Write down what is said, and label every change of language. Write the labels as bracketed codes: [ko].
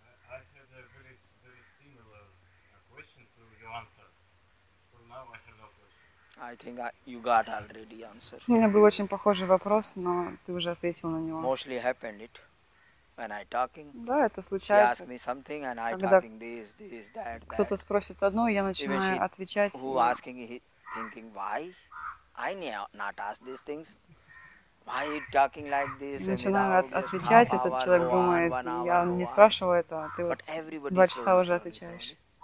[en] I had a very similar question to your answer. So now I have no question. I think you got already answer. [ru] У меня был очень похожий вопрос, но ты уже ответил на него. [en] Mostly happened it when I talking. [ru] Да, это случается. [en] She asked me something and I talking this that. Кто-то спросит одно, и я начинаю отвечать. Who asking he thinking why? I not ask these things. Why you talking like this? [ru] Начинаю отвечать, этот человек думает, я не спрашиваю это, а ты вот два часа уже отвечаешь.